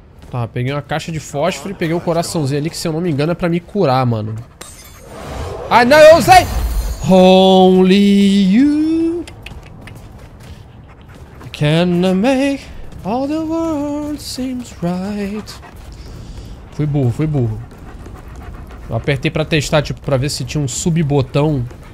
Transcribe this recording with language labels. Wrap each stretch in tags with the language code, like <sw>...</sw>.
<pt>Tá, peguei uma caixa de fósforo e peguei um coraçãozinho ali que, se eu não me engano, é pra me curar, mano. Ah, não, eu usei!</pt> <en>Only you can make all the world seems right.</en> <pt>Fui burro, fui burro. Eu apertei pra testar, tipo, pra ver se tinha um subbotão.</pt>